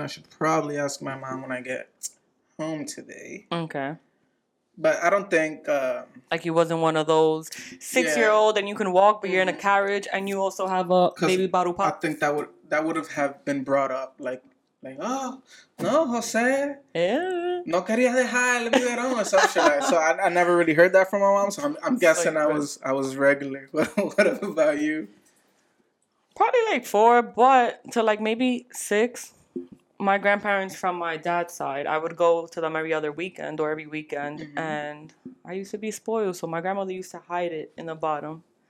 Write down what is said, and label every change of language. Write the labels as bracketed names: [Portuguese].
[English] I should probably ask my mom when I get home today. Okay. But I don't think... like you wasn't one of those six-year-old and you can walk, but you're in a carriage and you also have a baby bottle pop. I think that would have been brought up. Like, oh, no, Jose. Yeah. [Spanish] No quería dejar el biberón [English] or some shit. So I never really heard that from my mom. So I'm guessing like, I was regular. What about you? Probably like four, but to like maybe six. My grandparents from my dad's side, I would go to them every other weekend or every weekend. Mm-hmm. And I used to be spoiled. So my grandmother used to hide it in the bottom.